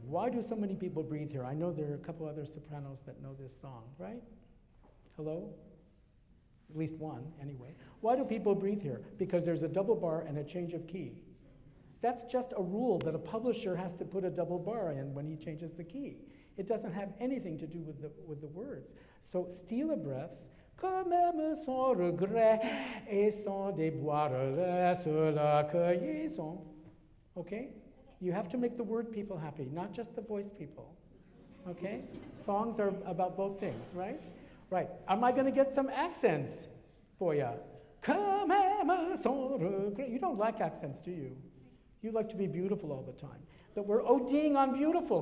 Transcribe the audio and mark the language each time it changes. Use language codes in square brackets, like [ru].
[en] Why do so many people breathe here? I know there are a couple other sopranos that know this song, right? Hello? At least one, anyway. Why do people breathe here? Because there's a double bar and a change of key. That's just a rule that a publisher has to put a double bar in when he changes the key. It doesn't have anything to do with the words. So steal a breath. [fr] Quand même sans regret et sans déboire laisse la cueillison. [en] Okay? You have to make the word people happy, not just the voice people. Okay? Songs are about both things, right? Right. Am I going to get some accents for ya? [fr] Quand même sans regret. [en] You don't like accents, do you? You like to be beautiful all the time. But we're ODing on beautiful.